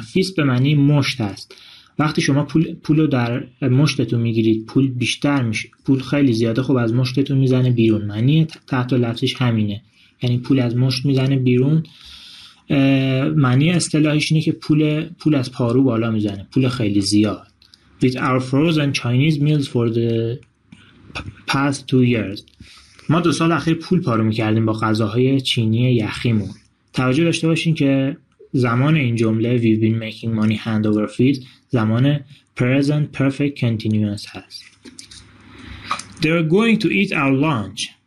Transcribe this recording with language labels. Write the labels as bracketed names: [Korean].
[Persian] Fist به معنی مشت است. وقتی شما پولو در مشتتون میگیرید پول بیشتر میشه. پول خیلی زیاده خب از مشتتون میزنه بیرون. معنی تحت لفظش همینه. یعنی پول از مشت میزنه بیرون. معنی اصطلاحیش اینه که پول از پارو بالا میزنه. پول خیلی زیاد. [English] With our frozen Chinese meals for the past 2 years. [Persian] ما 2 سال اخیر پول پارو میکردیم با غذاهای چینی یخیمون. توجه داشته باشین که زمان این جمله [English] We've been making money hand over fist [Persian] زمان [English] present perfect continuous [Persian] هست. [English] They're going to eat our lunch.